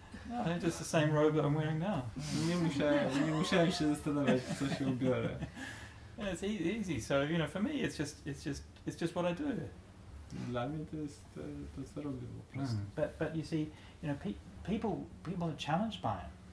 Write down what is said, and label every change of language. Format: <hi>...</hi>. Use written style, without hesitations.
<en>No, just the same robe that I'm wearing now.</en> <pl>Nie musiałem się zastanawiać, co się ubiorę.</pl> <en>It's easy. So you know, for me, it's just what I do.</en> <pl>Dla mnie to jest to, co robię po prostu.</pl> <en>But you see, you know, people are challenged by it.</en>